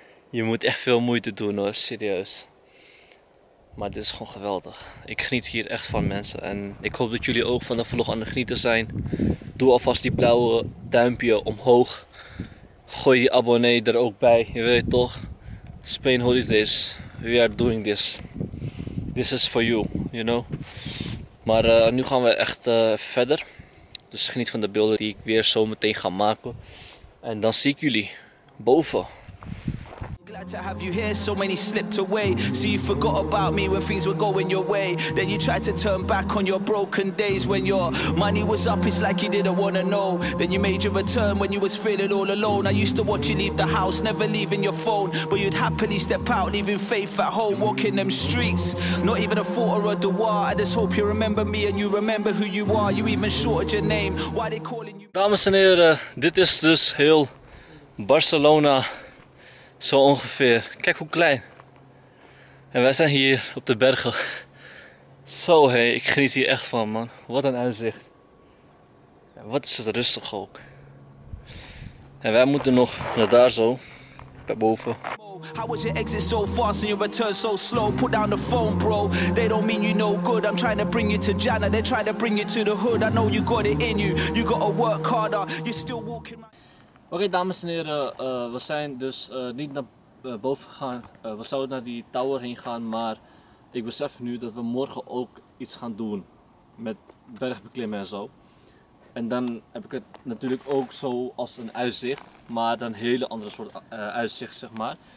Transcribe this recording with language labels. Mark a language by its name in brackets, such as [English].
[Dutch] Je moet echt veel moeite doen hoor, serieus. Maar dit is gewoon geweldig. Ik geniet hier echt van, mensen. En ik hoop dat jullie ook van de vlog aan het genieten zijn. Doe alvast die blauwe duimpje omhoog. Gooi je abonnee er ook bij. Je weet toch? Spain Holidays. [English] We are doing this. This is for you, you know? [Dutch] Maar nu gaan we echt verder. Dus geniet van de beelden die ik weer zo meteen ga maken. En dan zie ik jullie boven. [English] Glad to have you here, so many slipped away. So you forgot about me when things were going your way. Then you tried to turn back on your broken days. When your money was up, it's like you didn't wanna know. Then you made your return when you was feeling all alone. I used to watch you leave the house, never leaving your phone. But you'd happily step out, leaving faith at home. Walking them streets, not even a thought or a devoir. I just hope you remember me and you remember who you are. You even shorted your name, why they calling you. [Dutch] Dames en heren, dit is dus heel Barcelona. Zo ongeveer. Kijk hoe klein. En wij zijn hier op de bergen. Zo hé, ik geniet hier echt van, man. Wat een uitzicht. En wat is het rustig ook. En wij moeten nog naar daar zo. Naar boven. [English] How was your exit so fast and your return so slow? Put down the phone, bro. They don't mean you no good. I'm trying to bring you to Jannah. They're trying to bring you to the hood. I know you got it in you. You gotta work harder. You're still walking right. [Dutch] Oké, dames en heren, we zijn dus niet naar boven gegaan. We zouden naar die tower heen gaan, maar ik besef nu dat we morgen ook iets gaan doen met bergbeklimmen en zo. En dan heb ik het natuurlijk ook zo als een uitzicht, maar dan een hele andere soort uitzicht, zeg maar.